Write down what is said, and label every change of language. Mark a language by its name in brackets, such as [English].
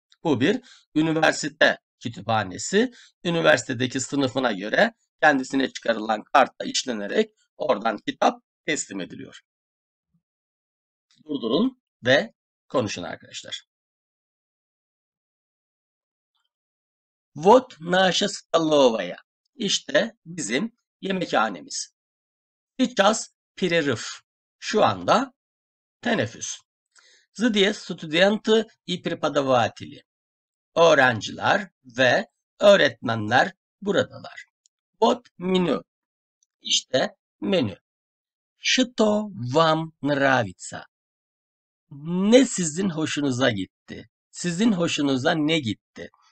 [Turkish] Bu bir üniversite kütüphanesi. Üniversitedeki sınıfına göre kendisine çıkarılan kartla işlenerek oradan kitap teslim ediliyor. Durdurun ve konuşun arkadaşlar. [Russian] Вот наша столовая. [Turkish] İşte bizim yemekhanemiz. [Russian] Сейчас перерыв. [Turkish] Şu anda teneffüs. [Russian] Здесь студенты и преподаватели. [Turkish] Öğrenciler ve öğretmenler buradalar. [Russian] Вот меню. [Turkish] İşte menü. [Russian] Что вам нравится? [Turkish] Ne sizin hoşunuza gitti? Sizin hoşunuza ne gitti?